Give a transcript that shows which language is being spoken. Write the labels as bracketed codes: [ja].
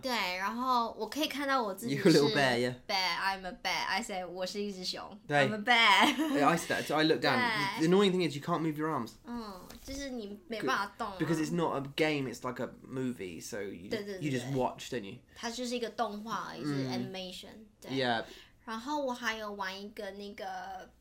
[zh] 对,然后我可以看到我自己是... [en] You're a little bear, yeah. Bear, I'm a bear. I say, [zh] 我是一只熊, 对, [en] I'm a bear. Yeah, I see that, so I look down. The annoying thing is you can't move your arms. [zh] 就是你没办法动啊。 [en] Because it's not a game, it's like a movie, so you, [zh] 对对对, [en] you just watch, don't you? [zh] 它就是一个动画, [en] it's an animation. [zh] 对, [en] yeah. [zh] 然后我还有玩一个那个...